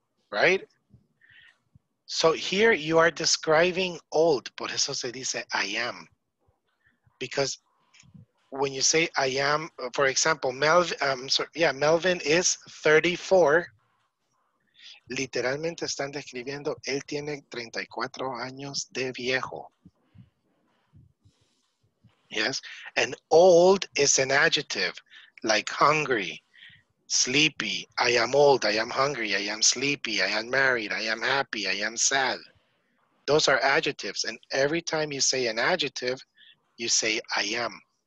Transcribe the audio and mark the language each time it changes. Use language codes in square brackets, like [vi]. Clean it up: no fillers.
[en] Right? So here you are describing old. [es] Por eso se dice [en] I am. Because when you say I am, for example, Melvin is 34. [es] Literalmente están describiendo, él tiene 34 años de viejo. [en] Yes, and old is an adjective, like hungry, sleepy. I am old, I am hungry, I am sleepy, I am married, I am happy, I am sad. Those are adjectives, and every time you say an adjective, you say I am.